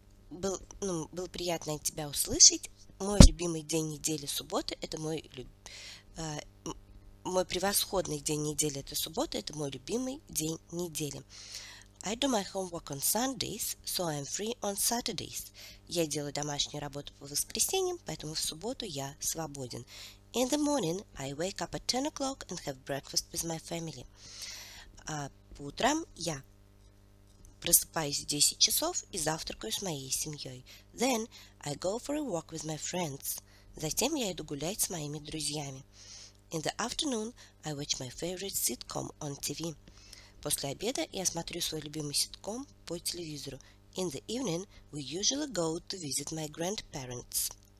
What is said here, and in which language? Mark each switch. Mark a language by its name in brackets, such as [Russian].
[Russian] Было приятно тебя услышать. Мой любимый день недели – суббота. Это мой... мой превосходный день недели – это суббота. Это мой любимый день недели. [English] I do my homework on Sundays, so I'm free on Saturdays. [Russian] Я делаю домашнюю работу по воскресеньям, поэтому в субботу я свободен. [English] In the morning, I wake up at 10 o'clock and have breakfast with my family. [Russian] А по утрам я просыпаюсь в 10 часов и завтракаю с моей семьей. [English] Then I go for a walk with my friends. [Russian] Затем я иду гулять с моими друзьями. [English] In the afternoon, I watch my favorite sitcom on TV. [Russian] После обеда я смотрю свой любимый ситком по телевизору. [English] In the evening, we usually go to visit my grandparents.